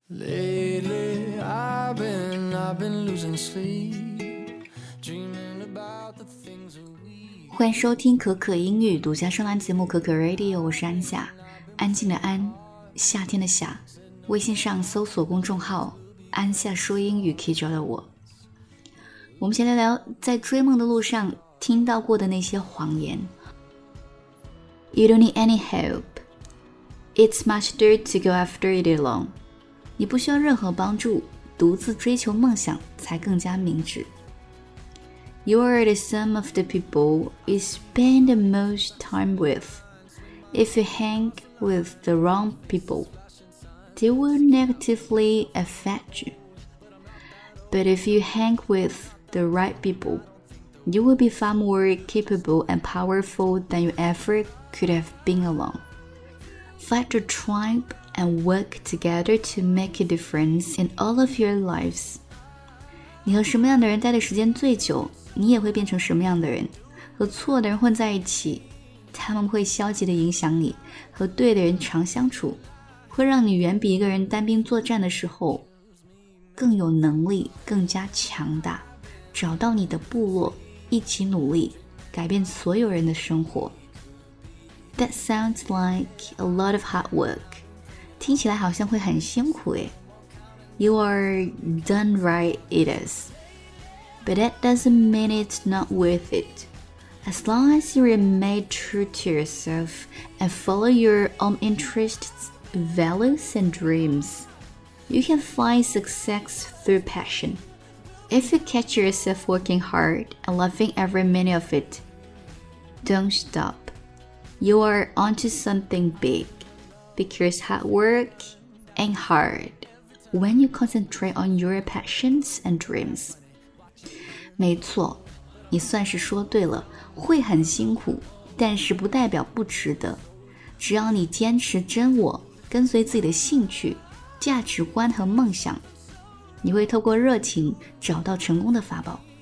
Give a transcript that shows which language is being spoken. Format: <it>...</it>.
<en>Lately, I've been losing sleep, dreaming about the things we...</en> <zh>欢迎收听可可英语独家声音节目可可 Radio， 我是安夏，安静的安，夏天的夏。微信上搜索公众号安夏说英语可以找到我。我们先聊聊在追梦的路上听到过的那些谎言。</zh> <en>You don't need any help. It's much dirt to go after it alone.</en> <zh>你不需要任何帮助，独自追求梦想才更加明智。</zh> <en>You are the sum of the people you spend the most time with. If you hang with the wrong people, they will negatively affect you. But if you hang with the right people, you will be far more capable and powerful than you ever could have been alone. Fight your tribe and work together to make a difference in all of your lives.</en> <zh>你和什么样的人待的时间最久，你也会变成什么样的人。和错的人混在一起，他们会消极地影响你；和对的人常相处，会让你远比一个人单兵作战的时候更有能力，更加强大。找到你的部落，一起努力，改变所有人的生活。</zh> <en>That sounds like a lot of hard work.</en> <zh>听起来好像会很辛苦耶。</zh> <en>You are done right, it is. But that doesn't mean it's not worth it. As long as you remain true to yourself and follow your own interests, values, and dreams, you can find success through passion. If you catch yourself working hard and loving every minute of it, don't stop. You are onto something big, because hard work ain't hard when you concentrate on your passions and dreams.</en> <zh>没错，你算是说对了，会很辛苦，但是不代表不值得。只要你坚持真我，跟随自己的兴趣、价值观和梦想，你会透过热情找到成功的法宝。</zh>